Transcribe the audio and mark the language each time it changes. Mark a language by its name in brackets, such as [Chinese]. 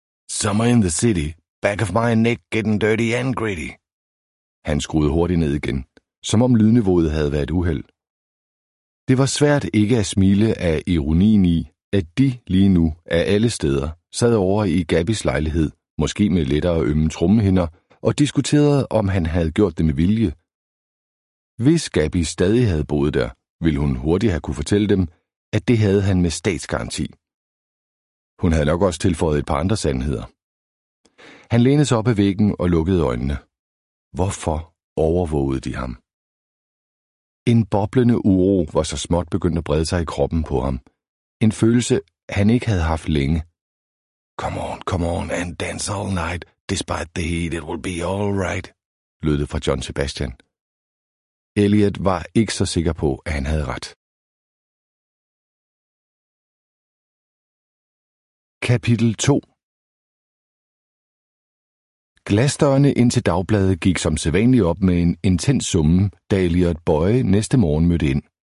[English] Summer in the City, back of my neck getting dirty and gritty. [Danish] Han skruede hurtigt ned igen, som om lydniveauet havde været uheld. Det var svært ikke at smile af ironien i, at de lige nu af alle steder sad over i Gabbys lejlighed, måske med lettere ømme trommehinder, og diskuterede, om han havde gjort det med vilje. Hvis Gabby stadig havde boet der, ville hun hurtigt have kunne fortælle dem, at det havde han med statsgaranti. Hun havde nok også tilføjet et par andre sandheder. Han lænede sig op ad væggen og lukkede øjnene. Hvorfor overvågede de ham? En boblende uro var så småt begyndt at brede sig i kroppen på ham. En følelse, han ikke havde haft længe. [English] Come on, come on, and dance all night. Despite the heat, it will be all right, [Danish] lød det fra John Sebastian. Elliot var ikke så sikker på, at han havde ret. Kapitel 2. Glasdørene ind til dagbladet gik som sædvanligt op med en intens summen, da Elliot Boye næste morgen mødte ind.